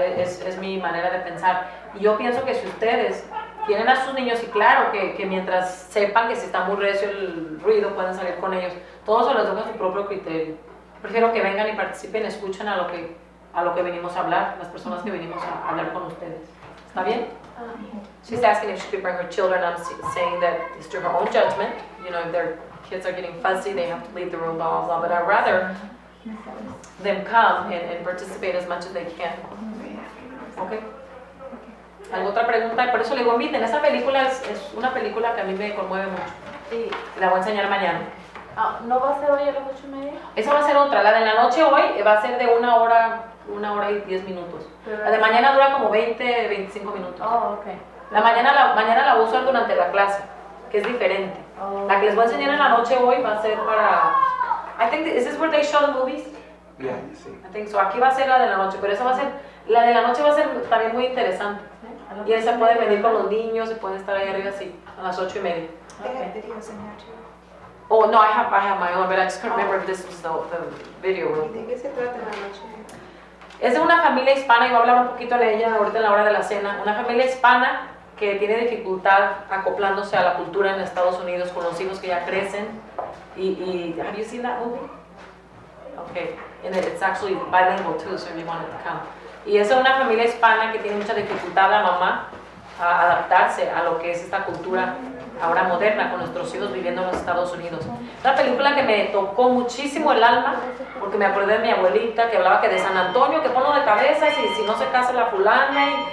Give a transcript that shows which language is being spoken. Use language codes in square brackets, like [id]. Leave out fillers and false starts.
[es] Es mi manera de pensar. Y yo pienso que si ustedes tienen a sus niños, y claro, que mientras sepan que si está muy recio el ruido, pueden salir con ellos. Todo se los dejo a su propio criterio. Prefiero que vengan y participen, escuchen a lo que venimos a hablar, las personas que venimos a hablar con ustedes. ¿Está bien? [en] She's asking if she could bring her children. I'm saying that it's to her own judgment. You know, if their kids are getting fuzzy, they have to leave the room, blah, blah, blah. But I'd rather them come and participate as much as they can. [es] Okay? ¿Alguna otra pregunta? Por eso le digo, miren, esa película es una película que a mí me conmueve mucho. Sí. La voy a enseñar mañana. ¿No va a ser hoy a las 8:30? Esa va a ser otra. La de la noche hoy va a ser de una hora y 10 minutos. Pero la de mañana dura como 20, 25 minutos. [en] Oh, okay. [es] La mañana la uso durante la clase, que es diferente. Oh, la que les voy a enseñar en la noche hoy va a ser para... [en] I think this is where they show the movies. Yeah, I think so. [es] Aquí va a ser la de la noche, pero esa va a ser... La de la noche va a ser también muy interesante. Y él se puede venir con los niños, se puede estar ahí arriba así, a las 8:30. [en] They have videos in there too. Oh, no, I have my own, but I just can't remember if this was the video room. [es] ¿De qué se trata la noche? Es de una familia hispana, y voy a hablar un poquito de ella ahorita en la hora de la cena. Una familia hispana que tiene dificultad acoplándose a la cultura en Estados Unidos con los hijos que ya crecen. [en] Y ¿have you seen that movie? Okay, and it's actually bilingual too, so if you wanted to come. [es] Y es una familia hispana que tiene mucha dificultad la mamá a adaptarse a lo que es esta cultura ahora moderna con nuestros hijos viviendo en los Estados Unidos. Una película que me tocó muchísimo el alma porque me acordé de mi abuelita que hablaba que de San Antonio, que ponlo de cabeza y si no se casa la fulana.